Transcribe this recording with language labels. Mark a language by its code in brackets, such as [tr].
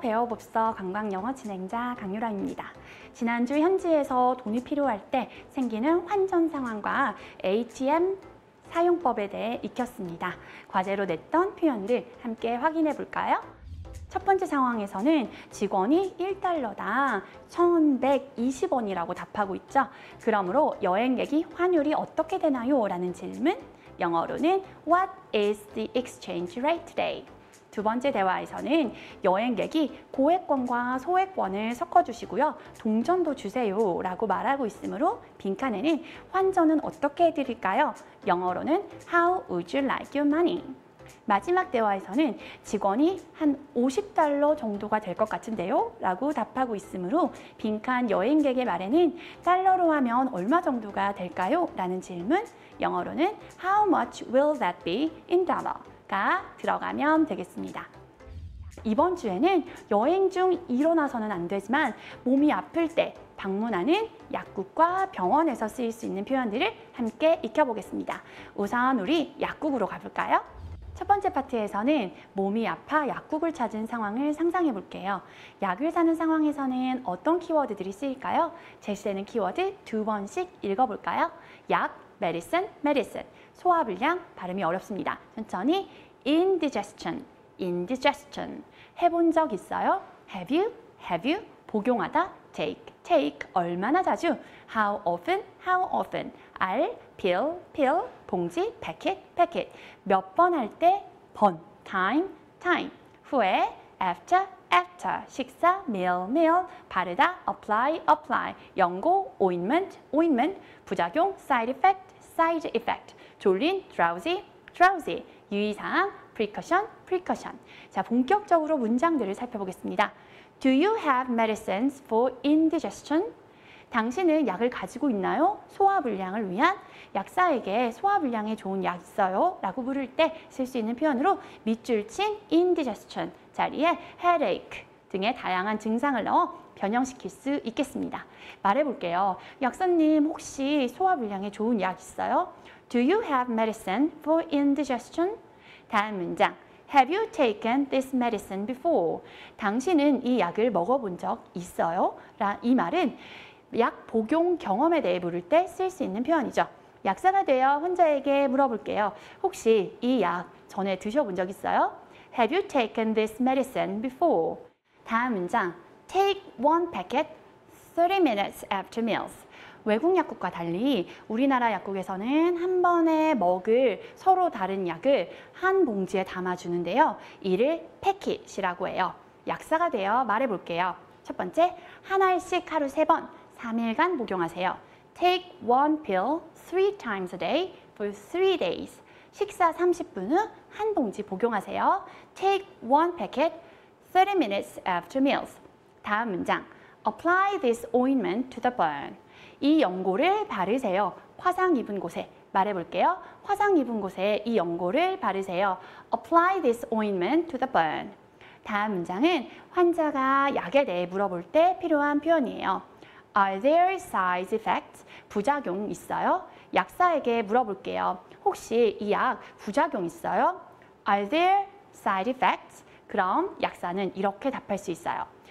[ko] 배워봅서 관광영어 진행자 강유라입니다. 지난주 현지에서 돈이 필요할 때 생기는 환전 상황과 ATM 사용법에 대해 익혔습니다. 과제로 냈던 표현들 함께 확인해 볼까요? 첫 번째 상황에서는 직원이 1달러당 1,120원이라고 답하고 있죠. 그러므로 여행객이 환율이 어떻게 되나요? 라는 질문. 영어로는 [en] What is the exchange rate today? [ko] 두 번째 대화에서는 여행객이 고액권과 소액권을 섞어주시고요. 동전도 주세요 라고 말하고 있으므로 빈칸에는 환전은 어떻게 해드릴까요? 영어로는 [en] How would you like your money? [ko] 마지막 대화에서는 직원이 한 $50 정도가 될 것 같은데요? 라고 답하고 있으므로 빈칸 여행객의 말에는 달러로 하면 얼마 정도가 될까요? 라는 질문 영어로는 [en] How much will that be in dollar? [ko] 가 들어가면 되겠습니다. 이번 주에는 여행 중 일어나서는 안 되지만 몸이 아플 때 방문하는 약국과 병원에서 쓰일 수 있는 표현들을 함께 익혀보겠습니다. 우선 우리 약국으로 가볼까요? 첫 번째 파트에서는 몸이 아파 약국을 찾은 상황을 상상해 볼게요. 약을 사는 상황에서는 어떤 키워드들이 쓰일까요? 제시되는 키워드 두 번씩 읽어볼까요? 약, [en] medicine, medicine. [ko] 소화불량, 발음이 어렵습니다. 천천히 [en] indigestion, indigestion. [ko] 해본 적 있어요? [en] Have you? Have you? [ko] 복용하다, [en] take, take. [ko] 얼마나 자주? [en] How often? How often? [ko] 알, [en] pill, pill. [ko] 봉지, [en] packet, packet. [ko] 몇 번 할 때? 번, [en] time, time. [ko] 후에? [en] After, after. [ko] 식사, [en] meal, meal. [ko] 바르다, [en] apply, apply. [ko] 연고, [en] ointment, ointment. [ko] 부작용, [en] side effect, side effect. [ko] 졸린, [en] drowsy, drowsy. [ko] 유의사항, [en] precaution, precaution. [ko] 자, 본격적으로 문장들을 살펴보겠습니다. [en] Do you have medicines for indigestion? [ko] 당신은 약을 가지고 있나요? 소화불량을 위한 약사에게 소화불량에 좋은 약 있어요? 라고 물을 때 쓸 수 있는 표현으로 밑줄 친 indigestion 자리에 headache 등의 다양한 증상을 넣어 변형시킬 수 있겠습니다. 말해볼게요. 약사님 혹시 소화불량에 좋은 약 있어요? [en] Do you have medicine for indigestion? [ko] 다음 문장. [en] Have you taken this medicine before? [ko] 당신은 이 약을 먹어본 적 있어요? 이 말은 약 복용 경험에 대해 물을 때 쓸 수 있는 표현이죠. 약사가 되어 혼자에게 물어볼게요. 혹시 이 약 전에 드셔본 적 있어요? [en] Have you taken this medicine before? [ko] 다음 문장. [en] Take one packet 30 minutes after meals. [ko] 외국 약국과 달리 우리나라 약국에서는 한 번에 먹을 서로 다른 약을 한 봉지에 담아주는데요. 이를 패킷이라고 해요. 약사가 되어 말해볼게요. 첫 번째, 하나씩 하루 세 번, 3일간 복용하세요. [en] Take one pill three times a day for three days. [ko] 식사 30분 후 한 봉지 복용하세요. [en] Take one packet 30 minutes after meals. [ko] 다음 문장, [en] apply this ointment to the burn. [ko] 이 연고를 바르세요. 화상 입은 곳에 말해볼게요. 화상 입은 곳에 이 연고를 바르세요. [en] Apply this ointment to the burn. [ko] 다음 문장은 환자가 약에 대해 물어볼 때 필요한 표현이에요. [en] Are there side effects? [ko] 부작용 있어요? 약사에게 물어볼게요. 혹시 이 약 부작용 있어요? [en] Are there side effects? [ko] 그럼 약사는 이렇게 답할 수 있어요.